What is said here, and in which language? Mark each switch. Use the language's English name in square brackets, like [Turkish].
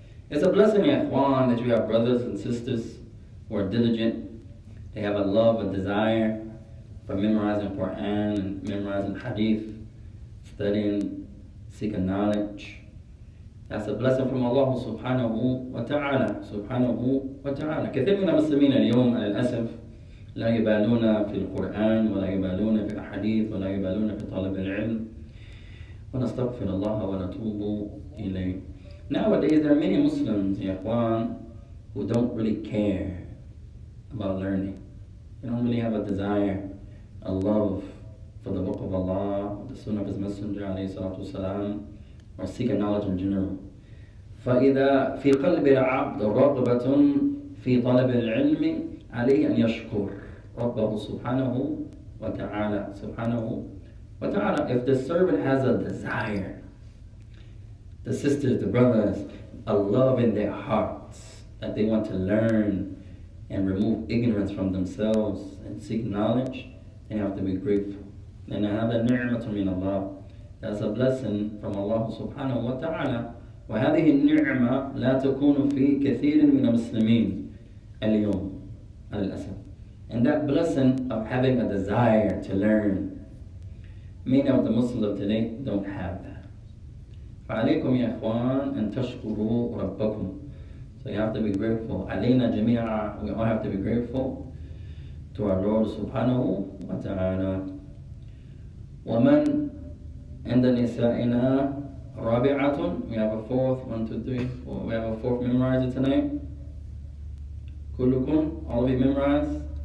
[English] It's a blessing, ya ikhwan, that we have brothers and sisters who are diligent. They have a love, a desire for memorizing Quran and memorizing Hadith, studying, seeking knowledge. That's a blessing from Allah subhanahu wa ta'ala. Subhanahu wa ta'ala. [Arabic] كثير من المسلمين اليوم على الأسف لا يبالون في القرآن ولا يبالون في الحديث ولا يبالون في طلب العلم. ونستغفر الله ونتوب إليه. [English] Nowadays there are many Muslims, [Arabic] يا إخوان, [English] who don't really care about learning. They don't really have a desire, a love for the Book of Allah, the Sunnah of His Messenger, alayhi salatu wasalam, or seeking knowledge in general. [Arabic] فَإِذَا فِي قَلْبِ الْعَبْدُ رَغْبَةٌ فِي طَلَبِ الْعِلْمِ عَلَيْهِ أَنْ يَشْكُرُ رَبَّهُ سُبْحَانَهُ وَتَعَالَى سُبْحَانَهُ وَتَعَالَى. [English] If the servant has a desire, the sisters, the brothers, a love in their hearts that they want to learn and remove ignorance from themselves and seek knowledge, they have to be grateful. [Arabic] And هَذَا نِعْمَةٌ مِنَ اللَّهِ. [English] That's a blessing from Allah subhanahu wa ta'ala. [Arabic] وهذه النعمة لا تكون في كثير من المسلمين اليوم على الأسف. [English] And that blessing of having a desire to learn, many of the Muslims of today don't have that. [Arabic] فعليكم يا إخوان أن تشكروا ربكم. [English] So you have to be grateful. [Arabic] علينا جميعا. [English] We all have to be grateful to our Lord [Arabic] سبحانه وتعالى. ومن عند نسائنا رابعةٌ. [English] We have a fourth, 1, 2, 3, 4. We have a fourth memorizer tonight. [Arabic] كلكم, [English] all of you memorize.